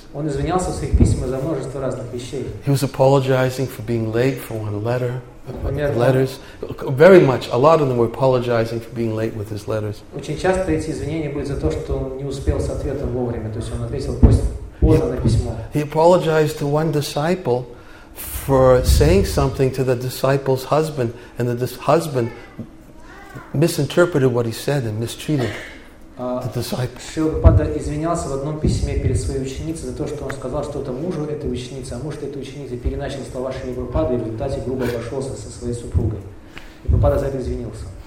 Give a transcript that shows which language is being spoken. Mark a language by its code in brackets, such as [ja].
[ru] Он извинялся в своих письмах за множество разных вещей. [en] He was apologizing for being late for one letter. Letters. Very much. A lot of them were apologizing for being late with his letters. [ru] Очень часто эти извинения были за то, что он не успел с ответом вовремя. То есть он ответил поздно на письмо. [en] He apologized to one disciple for saying something to the disciple's husband, and the husband misinterpreted what he said and mistreated. [ru] Шрила Прабхупада извинялся в одном письме перед своей ученицей за то, что он сказал что-то мужу этой ученицы, а муж этой ученицы переначал слова Шрила Прабхупады и в результате грубо обошелся со своей супругой. И Прабхупада за это извинился.